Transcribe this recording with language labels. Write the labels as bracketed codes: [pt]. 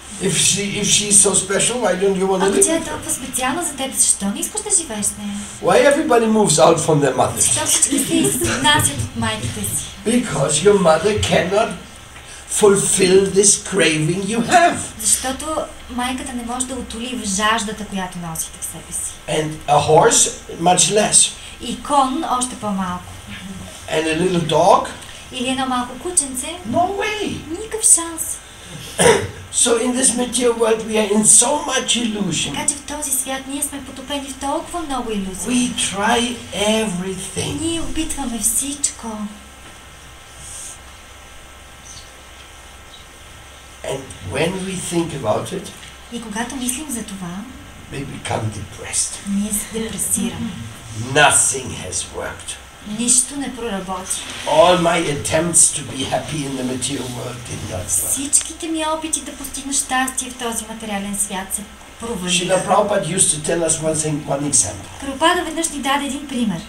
[en] If she is so special, why don't you want to live with her? [bg] Ако тя е толкова специална за теб, защо не искаш да живееш с нея? [en] Why everybody moves out from their mothers? [bg] Защо всички се изнасят от майките си? [en] Because your mother cannot fulfill this craving you have. [bg] Защото майката не може да утоли в жаждата, която носите в себе си. [en] And a horse much less. [bg] И кон още по-малко. [en] And a little dog? [bg] Или едно малко кученце? [en] No way. [bg] Никакъв шанс. [en] So in this material world we are in so much illusion. [bg] Така че в този свят ние сме потопени в толкова много илюзии. [en] We try everything. [bg] Ние опитваме всичко. [en] And when we think about it, [bg] и когато мислим за това, [en] we become depressed. [bg] Ние се депресираме. [en] Nothing has worked. [bg] Нищо не проработи. [en] All my attempts to be happy in the material world did not work. [bg] Всичките ми опити да постигна щастие в този материален свят се провалиха. [en] Шрила Прабхупада used to tell us one thing, one example. [bg] Прабхупада веднъж ни даде един пример.